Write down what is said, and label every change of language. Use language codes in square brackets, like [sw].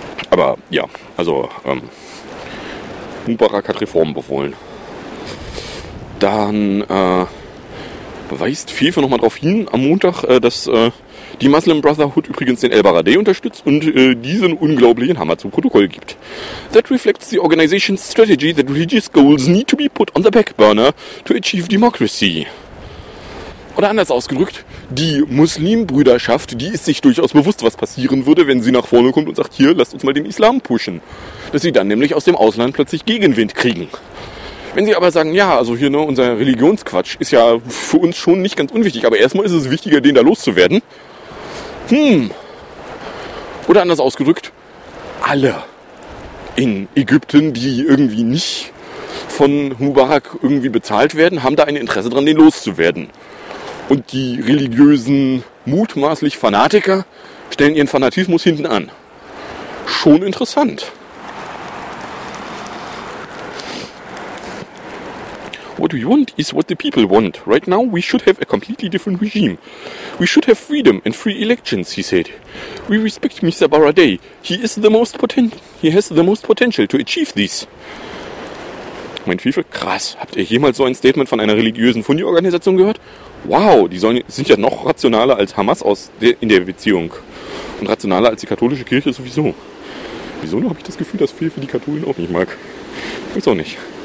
[de] Aber ja, also Mubarak hat Reformen befohlen. Dann weist FIFA nochmal drauf hin am Montag, dass die Muslim Brotherhood übrigens den El Baradei unterstützt und diesen unglaublichen Hammer zum Protokoll gibt. [en] That reflects the organization's strategy that religious goals need to be put on the back burner to achieve democracy. [de] Oder anders ausgedrückt, die Muslimbrüderschaft, die ist sich durchaus bewusst, was passieren würde, wenn sie nach vorne kommt und sagt, hier, lasst uns mal den Islam pushen. Dass sie dann nämlich aus dem Ausland plötzlich Gegenwind kriegen. Wenn sie aber sagen, ja, also hier, ne, unser Religionsquatsch ist ja für uns schon nicht ganz unwichtig, aber erstmal ist es wichtiger, den da loszuwerden. Oder anders ausgedrückt, alle in Ägypten, die irgendwie nicht von Mubarak irgendwie bezahlt werden, haben da ein Interesse dran, den loszuwerden. Und die religiösen, mutmaßlich Fanatiker stellen ihren Fanatismus hinten an. Schon interessant. [en] What we want is what the people want. Right now we should have a completely different regime. We should have freedom and free elections, he said. We respect Mr. Baradei. He has the most potential to achieve this. [de] Mein FIFA, krass, habt ihr jemals so ein Statement von einer religiösen Fundi-Organisation gehört? Wow, die sind ja noch rationaler als Hamas in der Beziehung. und rationaler als die katholische Kirche sowieso. Wieso noch habe ich das Gefühl, dass viel für die Katholen auch nicht mag? Weiß auch nicht.